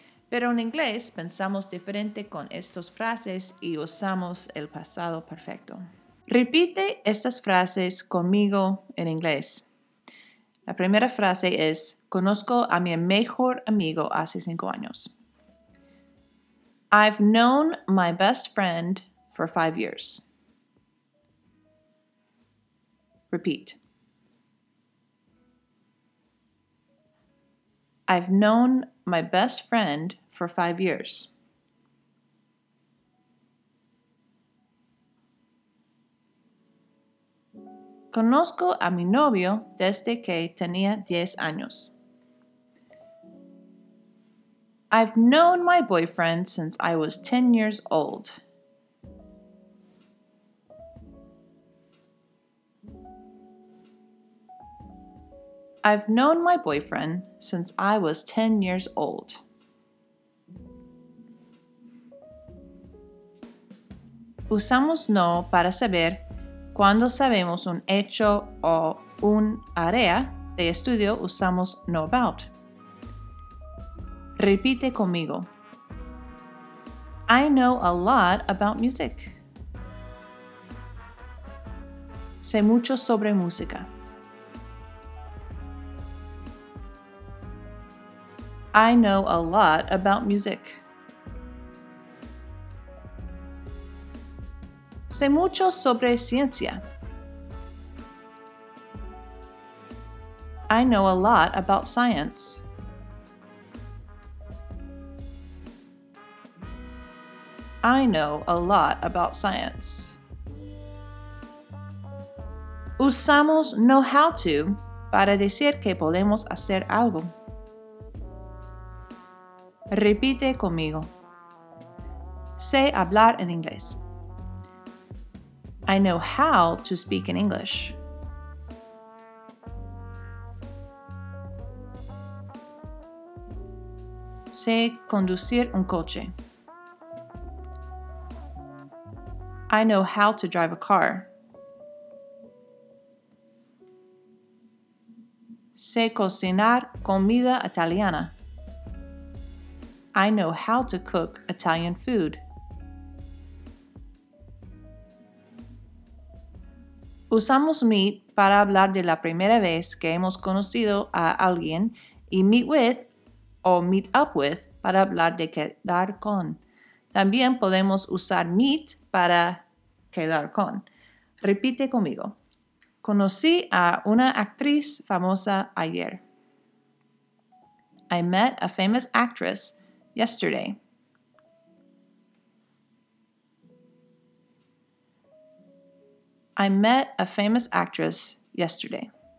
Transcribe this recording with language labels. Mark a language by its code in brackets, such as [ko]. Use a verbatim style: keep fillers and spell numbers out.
[es] Pero en inglés pensamos diferente con estas frases y usamos el pasado perfecto. Repite estas frases conmigo en inglés. La primera frase es: conozco a mi mejor amigo hace cinco años. [en] I've known my best friend for five years. Repeat. I've known my best friend for five years. [es] Conozco a mi novio desde que tenía diez años. [en] I've known my boyfriend since I was ten years old. I've known my boyfriend since I was ten years old. [es] Usamos no para saber cuando sabemos un hecho o un área de estudio, usamos know about. Repite conmigo. [en] I know a lot about music. [es] Sé mucho sobre música. [en] I know a lot about music. [es] Sé mucho sobre ciencia. [en] I know a lot about science. I know a lot about science. [es] Usamos know how to para decir que podemos hacer algo. Repite conmigo. Sé hablar en inglés. [en] I know how to speak in English. [es] Sé conducir un coche. [en] I know how to drive a car. [es] Sé cocinar comida italiana. [en] I know how to cook Italian food. [es] Usamos meet para hablar de la primera vez que hemos conocido a alguien y meet with o meet up with para hablar de quedar con. También podemos usar meet para quedar con. Repite conmigo. Conocí a una actriz famosa ayer. [en] I met a famous actress yesterday. I met a famous actress yesterday.